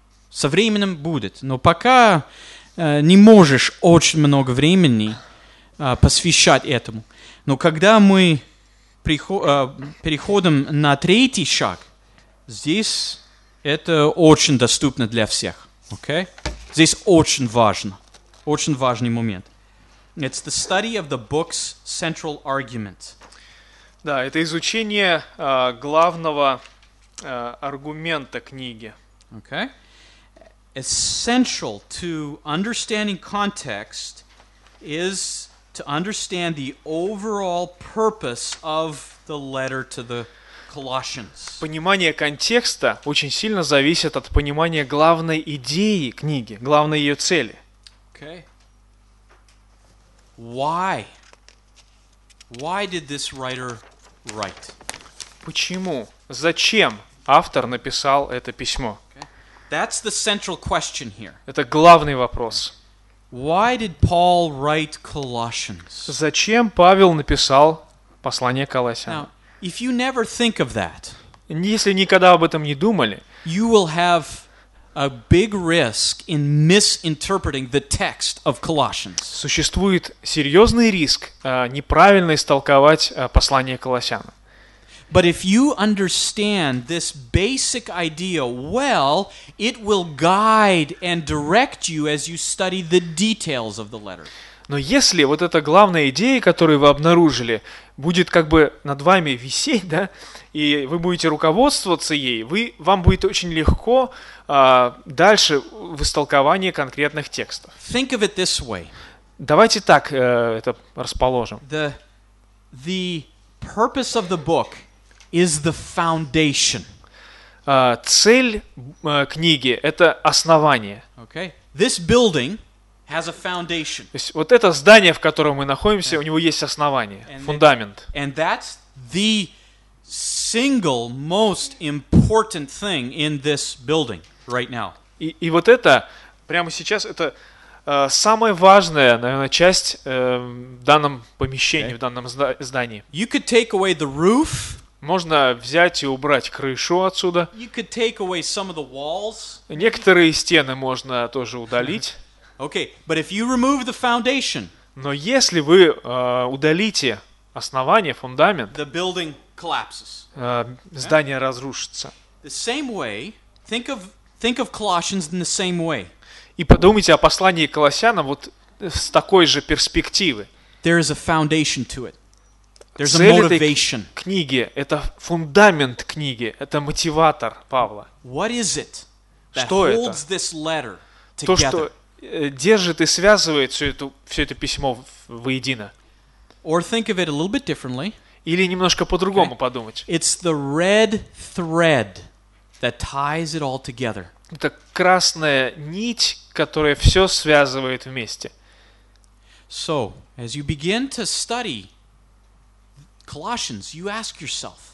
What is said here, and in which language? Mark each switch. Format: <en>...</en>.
<ru>Со временем будет. Но пока не можешь очень много времени посвящать этому. Но когда мы переходим на третий шаг, здесь это очень доступно для всех. Okay? Здесь очень важно. Очень важный момент.</ru> <en>It's the study of the book's central argument.</en> <ru>Да, это изучение главного аргумента книги.</ru> <en>Okay. Essential to understanding context is to understand the overall purpose of the letter to the Colossians.</en> <ru>Понимание контекста очень сильно зависит от понимания главной идеи книги, главной ее цели.</ru> <en>Okay. Why? Why did this writer write?</en> <ru>Почему? Зачем автор написал это письмо?</ru> <en>Okay. That's the central question here.</en> <ru>Это главный вопрос.</ru> <en>Why did Paul write Colossians?</en> <ru>Зачем Павел написал послание Колоссянам?</ru> <en>Now, if you never think of that,</en> <ru>если никогда об этом не думали,</ru> <en>you will have a big risk in misinterpreting the text of Colossians.</en> <ru>Существует серьезный риск неправильно истолковать послание Колоссянам.</ru> <en>But if you understand this basic idea well, it will guide and direct you as you study the details of the letter.</en> <ru>Но если вот эта главная идея, которую вы обнаружили, будет как бы над вами висеть, да, и вы будете руководствоваться ей, вам будет очень легко дальше в истолковании конкретных текстов.</ru> <en>Think of it this way.</en> <ru>Давайте так это расположим.</ru> <en>The purpose of the book is the foundation.</en> <ru>Цель книги – это основание.</ru> <en>Okay. This building has a foundation.</en> <ru>То есть, вот это здание, в котором мы находимся, у него есть основание, фундамент.</ru> <en>And that's the single most important thing in this building right now.</en> <ru>И вот это прямо сейчас это самая важная, наверное, часть в данном помещении, okay, в данном здании.</ru> <en>You could take away the roof.</en> <ru>Можно взять и убрать крышу отсюда.</ru> <en>You could take away some of the walls.</en> <ru>Некоторые стены можно тоже удалить.</ru> <en>Okay, but if you remove the foundation,</en> <ru>но если вы удалите основание, фундамент,</ru> <en>the building collapses.</en> <ru>Здание разрушится.</ru> <en>The same way, think of Colossians in the same way.</en> <ru>И подумайте о послании Колоссянам вот с такой же перспективы.</ru> <en>There is a foundation to it. There's</en> <ru>цель</ru> <en>a motivation.</en> <ru>Этой книги – это фундамент книги, это мотиватор Павла.</ru> <en>What is it that</en> <ru>что</ru> <en>holds</en> <ru>это?</ru> <en>This letter together? То, что держит и связывает все это письмо воедино. Or think of it a little bit differently.</en> <ru>Или немножко по-другому okay. подумать.</ru> <en>It's the red thread that ties it all together.</en> <ru>Это красная нить, которая все связывает вместе.</ru> <en>So, as you begin to study Colossians, you ask yourself.</en>